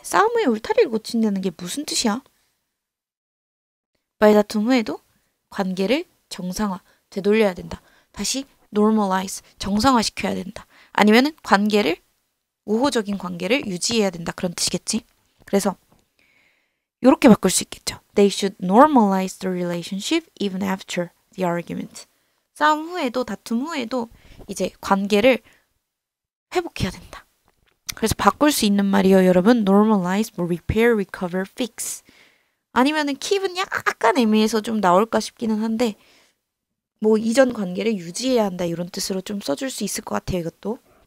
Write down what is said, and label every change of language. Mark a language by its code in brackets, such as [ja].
[ko] 싸움 후에 울타리를 고친다는 게 무슨 뜻이야? 말다툼 후에도 관계를 정상화, 되돌려야 된다. 다시 normalize, 정상화시켜야 된다. 아니면은 관계를, 우호적인 관계를 유지해야 된다. 그런 뜻이겠지? 그래서 이렇게 바꿀 수 있겠죠. [en] They should normalize the relationship even after the argument. [ko] 싸움 후에도, 다툼 후에도 이제 관계를 회복해야 된다. 그래서 바꿀 수 있는 말이요, 여러분. [en] normalize, repair, recover, fix. [ko] 아니면은 keep은 약간 애매해서 좀 나올까 싶기는 한데 뭐 이전 관계를 유지해야 한다 이런 뜻으로 좀 써줄 수 있을 것 같아요 이것도.